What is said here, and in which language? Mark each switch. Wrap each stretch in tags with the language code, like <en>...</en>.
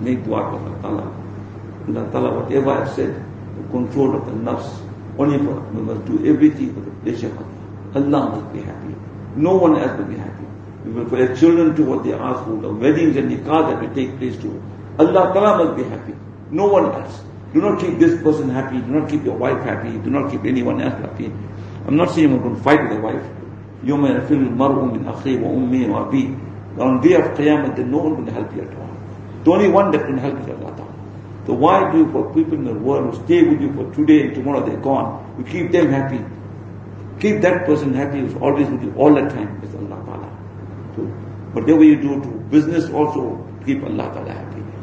<en>Make dua to Allah Ta'ala. Allah Ta'ala, whatever I said, the control of the nafs, only for we must do everything for the pleasure of Allah. Allah must be happy. No one else will be happy. We will pray children to what they ask for, the weddings and nikah that will take place to. Allah Ta'ala must be happy. No one else. Do not keep this person happy. Do not keep your wife happy. Do not keep anyone else happy. I'm not saying we're going to fight with the wife.</en> <ar>يوم يفر المرء من أخيه وأمه وأبيه.</ar> <en>On day of Qiyamah, then no one can help you at all. The only one that can help you is Allah Ta'ala. So why do you put people in the world who stay with you for today and tomorrow they're gone? You keep them happy. Keep that person happy who's always with you all the time is Allah Ta'ala. So whatever you do to business also, keep Allah Ta'ala happy.</en>